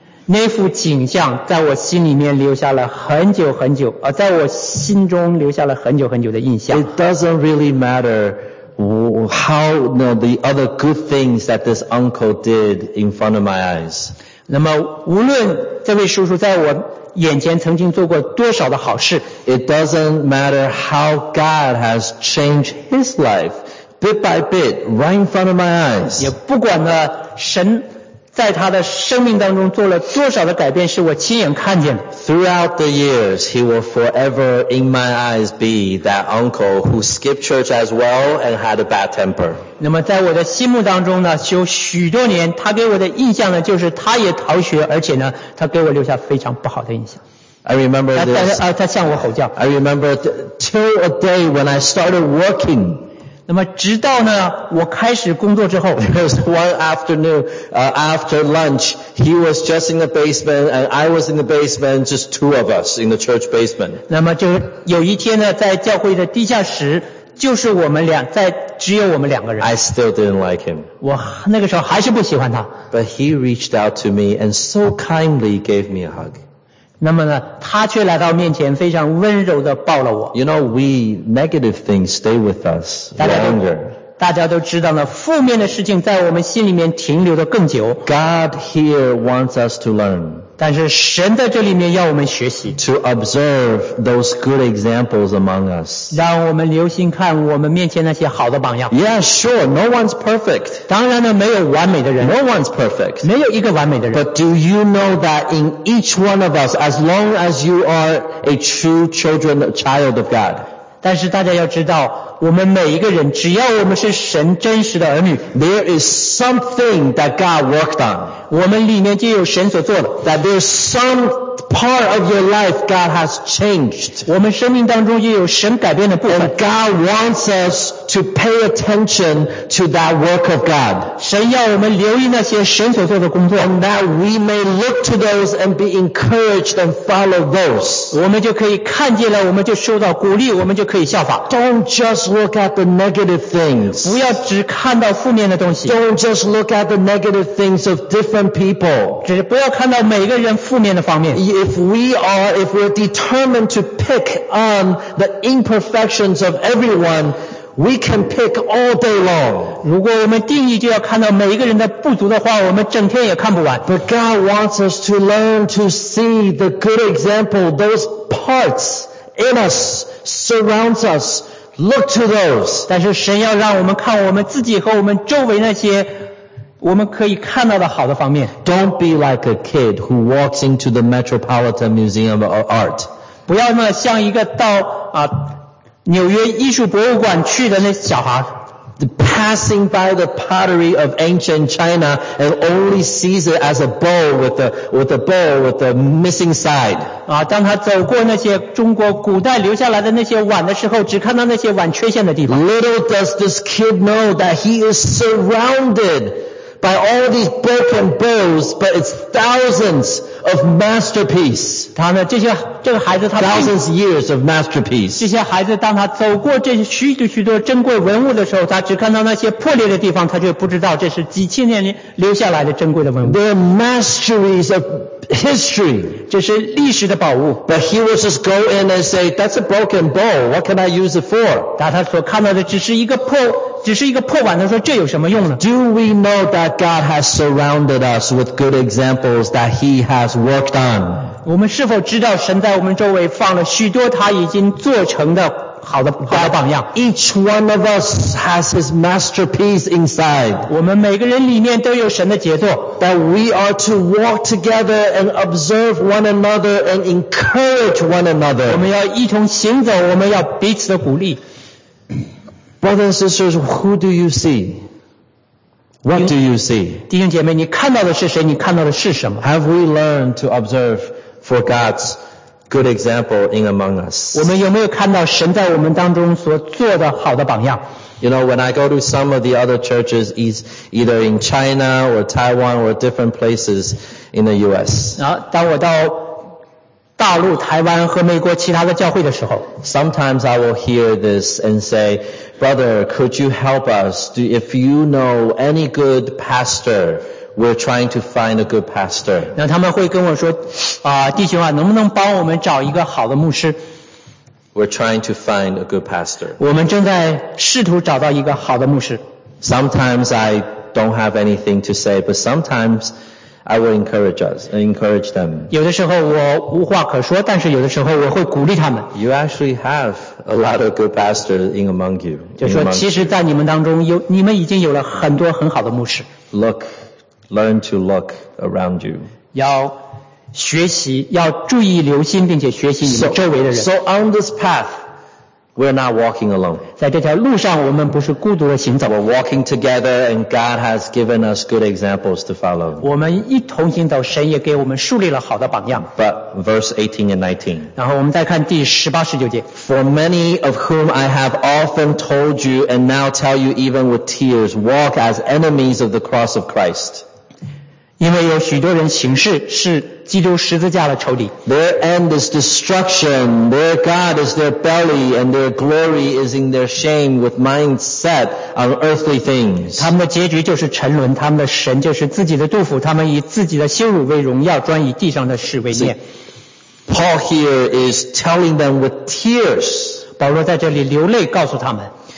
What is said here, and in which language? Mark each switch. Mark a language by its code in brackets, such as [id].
[zh] 那幅景象在我心里面留下了很久很久，在我心中留下了很久很久的印象。 [en] It doesn't really matter how the other good things that this uncle did in front of my eyes. [zh] 那么无论这位叔叔在我眼前曾经做过多少的好事。 [en] It doesn't matter how God has changed his life, bit by bit, right in front of my eyes. [zh] 也不管呢，神在他的生命当中做了多少的改变，是我亲眼看见的。 [en] Throughout the years, he will forever in my eyes be that uncle who skipped church as well and had a bad temper. [zh] 那么在我的心目当中呢，有许多年，他给我的印象呢，就是他也逃学，而且呢，他给我留下非常不好的印象。 [en] I remember this. [zh] 他向我吼叫。 [en] I remember till a day when I started working. [zh] 那么直到呢我开始工作之后 [en] one afternoon, after lunch, he was just in the basement and I was in the basement, just two of us in the church basement. [zh] 那么就有一天呢在教会的地下室就是我们两在只有我们两个人。 [en] I still didn't like him. [zh] 我那个时候还是不喜欢他。 [en] But he reached out to me and so kindly gave me a hug. [zh] 那么呢他却来到面前非常温柔地抱了我。 [en] You know, we negative things stay with us longer. [zh] 大家都知道呢负面的事情在我们心里面停留的更久。 [en] God here wants us to learn. [zh] 但是神在这里面要我们学习。 [en] To observe those good examples among us. [zh] 让我们留心看我们面前那些好的榜样。 [en] Yeah, sure, no one's perfect. [zh] 当然呢没有完美的人。 [en] No one's perfect. [zh] 没有一个完美的人。 [en] But do you know that in each one of us, as long as you are a true child of God, [zh] 但是大家要知道我们每一个人只要我们是神真实的儿女 [en] There is something that God worked on [zh] 我们里面就有神所做的 [en] That there is some part of your life God has changed [zh] 我们生命当中也有神改变的部分 [en] And God wants us to pay attention to that work of God [zh] 神要我们留意那些神所做的工作 [en] And that we may look to those and be encouraged and follow those [zh] 我们就可以看见了我们就受到鼓励我们就可以效法 [en] Don't just look at the negative things [zh] 不要只看到负面的东西 [en] Don't just look at the negative things of different people [zh] 只是不要看到每个人负面的方面 [en] If we're determined to pick on the imperfections of everyone, we can pick all day long. [zh] 如果我们定义就要看到每一个人的不足的话，我们整天也看不完。 [en] But God wants us to learn to see the good example, those parts in us, surrounds us. Look to those. [zh] 但是神要让我们看我们自己和我们周围那些我们可以看到的好的方面。 [en] Don't be like a kid who walks into the Metropolitan Museum of Art. [zh] 不要那么像一个到啊纽约艺术博物馆去的那小孩。 [en] Passing by the pottery of ancient China and only sees it as a bowl with a missing side. [zh] 啊，当他走过那些中国古代留下来的那些碗的时候，只看到那些碗缺陷的地方。 [en] Little does this kid know that he is surrounded. By all these broken bowls, but it's thousands of masterpiece. [zh] 他呢，这个孩子他 [en] thousands years of masterpiece. [zh] 这些孩子当他走过这许多许多珍贵文物的时候，他只看到那些破裂的地方，他就不知道这是几千年留下来的珍贵的文物。 [en] They're masteries of history. [zh] 这是历史的宝物。 [en] But he will just go in and say, "That's a broken bowl. What can I use it for?" [zh] 他所看到的只是一个破。只是一个破碗的说这有什么用呢 [en] Do we know that God has surrounded us with good examples that he has worked on? [zh] 我们是否知道神在我们周围放了许多他已经做成的好的榜样 [en] Each one of us has his masterpiece inside. [zh] 我们每个人里面都有神的杰作 [en] That we are to walk together and observe one another and encourage one another. [zh] 我们要一同行走我们要彼此的鼓励 [en] Brothers and sisters, who do you see? What do you see? [zh] 弟兄姐妹，你看到的是谁？你看到的是什么？ [en] Have we learned to observe for God's good example in among us? [zh] 我们有没有看到神在我们当中所做的好的榜样？ [en] You know, when I go to some of the other churches, either in China or Taiwan or different places in the U.S. [zh] 当我到大陆、台湾和美国其他的教会的时候 [en] ，Sometimes I will hear this and say, "Brother, could you help us? If you know any good pastor, we're trying to find a good pastor." [zh] 那他们会跟我说，弟兄啊，能不能帮我们找一个好的牧师 [en] ？We're trying to find a good pastor. [zh] 我们正在试图找到一个好的牧师。 [en] Sometimes I don't have anything to say, but sometimes I will encourage us, encourage them. [zh] 有的时候我无话可说，但是有的时候我会鼓励他们。 [en] You actually have a lot of good pastors in among you. [zh] 就说其实在你们当中有，你们已经有了很多很好的牧师。 [en] Look, learn to look around you. [zh] 要学习，要注意留心，并且学习你们周围的人。 [en] So on this path, we're not walking alone. [zh] 在这条路上，我们不是孤独的行走。 [en] We're walking together, and God has given us good examples to follow. [zh] 我们一同行走，神也给我们树立了好的榜样。 [en] But verse 18 and 19. [zh] 然后我们再看第十八十九节。 [en] For many of whom I have often told you, and now tell you even with tears, walk as enemies of the cross of Christ. [zh] 因为有许多人行事是基督十字架的仇敌。 [en] Their end is destruction. Their God is their belly, and their glory is in their shame, with minds set on earthly things. [zh] 他们的结局就是沉沦，他们的神就是自己的杜甫，他们以自己的羞辱为荣耀，专以地上的事为念。 [en] Paul here is telling them with tears. [zh] 保罗在这里流泪告诉他们。